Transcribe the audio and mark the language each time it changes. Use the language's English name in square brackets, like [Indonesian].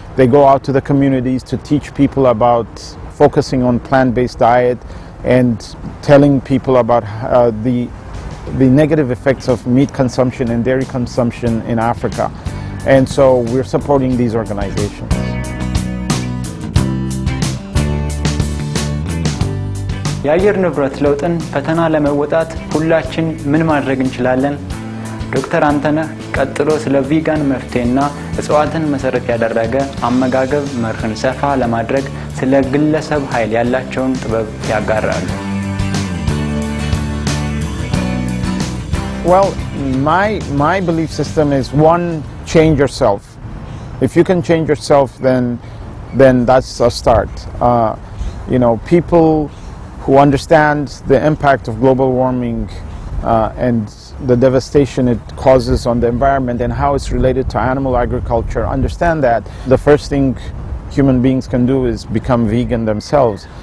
[English] They go out to the communities to teach people about focusing on plant-based diet, and telling people about the negative effects of meat consumption and dairy consumption in Africa. And so we're supporting these organizations. [Amharic] የአየር ንብረት ለውጥን ፈተና ለመወጣት ሁላችን ምን ማድረግ እንችላለን? ዶክተር አንተነ ቀጥሎ ስለ ቪጋን መፍቴና እጽዋትን መሰረት ያደረገ አመጋገብ መርህን ሰፋ ለማድረግ ስለ ግለሰብ ኃይል ያላቸውን ጥበብ ያጋራሉ። [English] Well, my belief system is one, change yourself. If you can change yourself, then that's a start. You know, people who understand the impact of global warming and the devastation it causes on the environment and how it's related to animal agriculture, understand that the first thing human beings can do is become vegan themselves.